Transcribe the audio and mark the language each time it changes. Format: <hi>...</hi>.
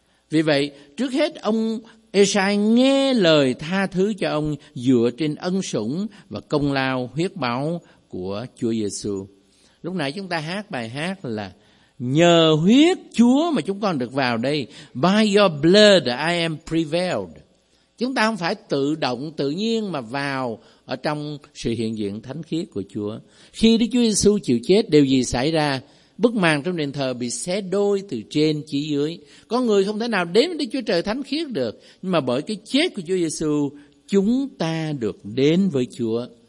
<vi>Vì vậy, trước hết ông Ê-sai nghe lời tha thứ cho ông dựa trên ân sủng và công lao huyết báu của Chúa Giê-xu. Lúc nãy chúng ta hát bài hát là nhờ huyết Chúa mà chúng con được vào đây.</vi> <en>By your blood I am prevailed.</en> <vi>Chúng ta không phải tự động tự nhiên mà vào ở trong sự hiện diện thánh khiết của Chúa. Khi Đức Chúa Giê-xu chịu chết, điều gì xảy ra? Bức màn trong đền thờ bị xé đôi từ trên chỉ dưới. Con người không thể nào đến với Đức Chúa Trời thánh khiết được. Nhưng mà bởi cái chết của Chúa Giê-xu, chúng ta được đến với Chúa.</vi>